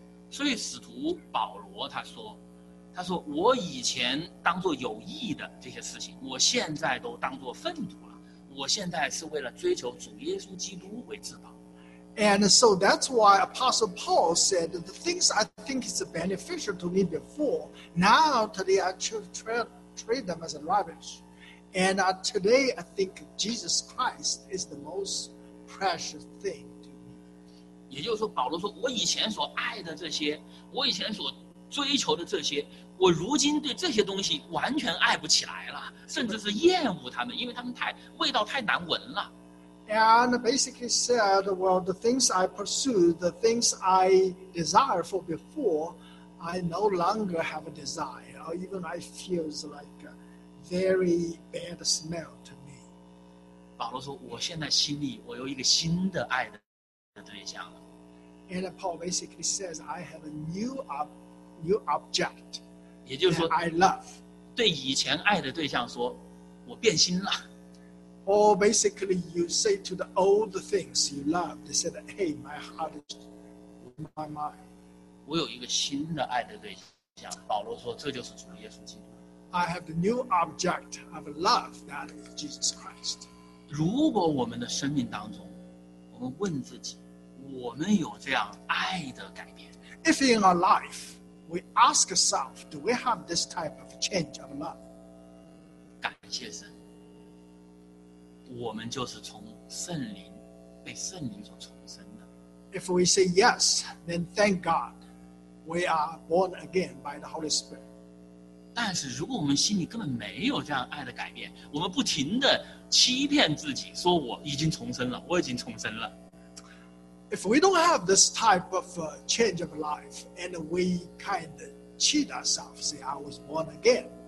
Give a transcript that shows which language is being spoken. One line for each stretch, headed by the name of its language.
Chinese: 所以使徒保罗他说，我以前当作有益的这些事情，我现在都当作粪土了。我现在是为了追求主耶稣基督为至宝。
English: And so that's why Apostle Paul said, the things I think is beneficial to me before, now today I trade them as a rubbish. And today I think Jesus Christ is the most precious thing to me.
Chinese: 也就是说保罗说，我以前所爱的这些，我以前所追求的这些，我如今对这些东西完全爱不起来了，甚至是厌恶他们，因为他们太味道太难闻了。
English: And basically said, well, the things I pursued, the things I desire for before, I no longer have a desire, or even I feel like a very bad smell to me.
Chinese: 保罗说，我现在心里我有一个新的爱的对象了。
English: And Paul basically says, I have a new object that I love.
Chinese: 对以前爱的对象说，我变心了。
English: Or basically, you say to the old things you love, they said, hey, my heart is in my mind.
Chinese: 我有一个新的爱的对象，保罗说，这就是主耶稣基督。
English: I have the new object of love, that is Jesus Christ.
Chinese: 如果我们的生命当中，我们问自己，我们有这样爱的改变？
English: If in our life, we ask ourselves, do we have this type of change of love?
Chinese: 感谢神。我们就是从圣灵被圣灵所重生的。
English: If we say yes, then thank God, we are born again by the Holy Spirit.
Chinese: 但是如果我们心里根本没有这样爱的改变，我们不停地欺骗自己，说我已经重生了，我已经重生了。
English: If we don't have this type of change of life, and we kind of cheat ourselves, say I was born again,